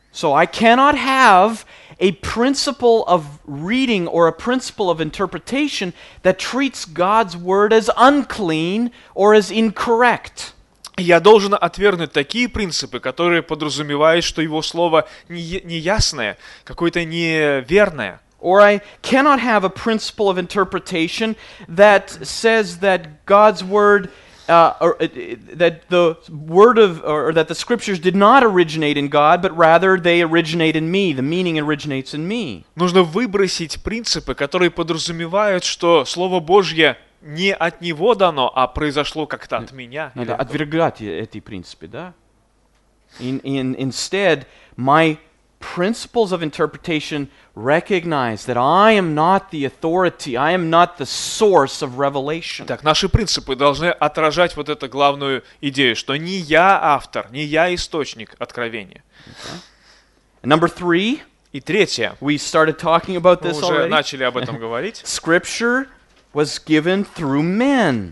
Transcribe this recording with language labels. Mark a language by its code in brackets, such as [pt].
[en] So I cannot have a principle of reading or a principle of interpretation that treats God's word as unclean or as incorrect. [ru] Я должен отвергнуть такие принципы, которые подразумевают, что его слово неясное, какое-то неверное. [en] Or I cannot have a principle of interpretation that says that God's word, that the word of, or that the scriptures did not originate in God, but rather they originate in me. The meaning originates in me. [ru] Нужно выбросить принципы, которые подразумевают, что слово Божье не от него дано, а произошло как-то от меня. Надо отвергать эти принципы, да? [en] Instead, my principles of interpretation recognize that I am not the authority, I am not the source of revelation. [ru] Так, наши принципы должны отражать вот эту главную идею, что не я автор, не я источник откровения. [en] Okay. Number three. [ru] И третье. [en] We started talking about this already. [ru] Мы уже начали об этом говорить. [en] Scripture was given through men.